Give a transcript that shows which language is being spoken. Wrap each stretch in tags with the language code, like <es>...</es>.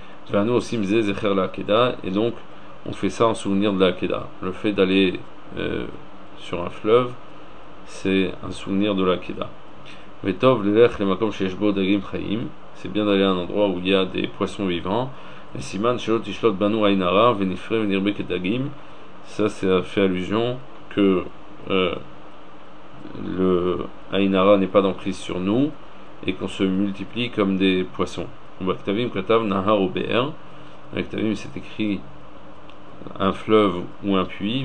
<he>ואנו עושים זה זכר לעקדה,</he> <fr>et donc on fait ça en souvenir de l'Akeda. Le fait d'aller sur un fleuve, c'est un souvenir de l'Akeda.</fr> <he>וטוב ללך למקום שיש בו דגים חיים,</he> <fr>c'est bien d'aller à un endroit où il y a des poissons vivants.</fr> <he>וסימן שלא תשלוט בנו עין הרע ונפרה ונרבה כדגים.</he> <fr>Ça, c'est fait allusion que le Aïnara n'est pas d'emprise sur nous et qu'on se multiplie comme des poissons.</fr> <he>Baktavim Katav Nahar Ober.</he> <fr>Baktavim, c'est écrit un fleuve ou un puits.</fr>